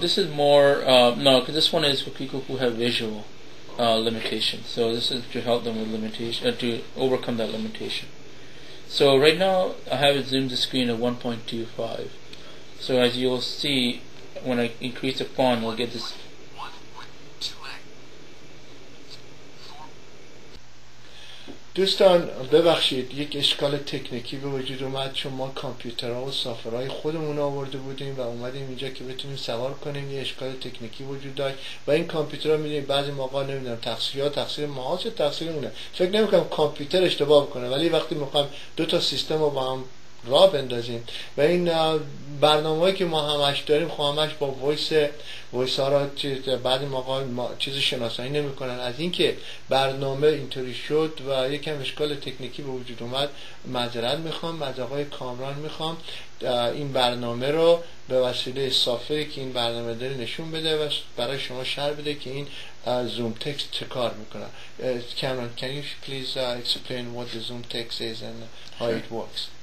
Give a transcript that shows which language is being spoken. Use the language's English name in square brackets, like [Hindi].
[English] This is more no, because this one is for people who have visual limitations. So this is to help them with limitation, to overcome that limitation. So right now I have it zoomed the screen at 1.25. So as you'll see, when I increase the font, we'll get this. [Persian] دوستان ببخشید یک اشکال تکنیکی به وجود اومد چون ما کامپیوترها و سافرهای خودمون آورده بودیم و اومدیم اینجا که بتونیم سوار کنیم یه اشکال تکنیکی وجود داشت و این کامپیوترها میدونیم بعضی موقعا نمیدونم تقصیر ماست یا تقصیر اونه فکر نمیکنم کامپیوتر اشتباه بکنه ولی وقتی میخوایم دو تا سیستم رو با هم را بندازیم و این برنامه‌ای که ما همش داریم خواهمش با ویس ها را بعد موقع چیز شناسایی نمی کنن از اینکه برنامه اینطوری شد و یکم اشکال تکنیکی به وجود اومد معذرت میخوام از آقای کامران میخوام این برنامه رو به وسیله سافری که این برنامه داره نشون بده و برای شما شرح بده که این زوم تکس چه کار میکنه. [English] کامران can you please explain what the zoom text is and how it works.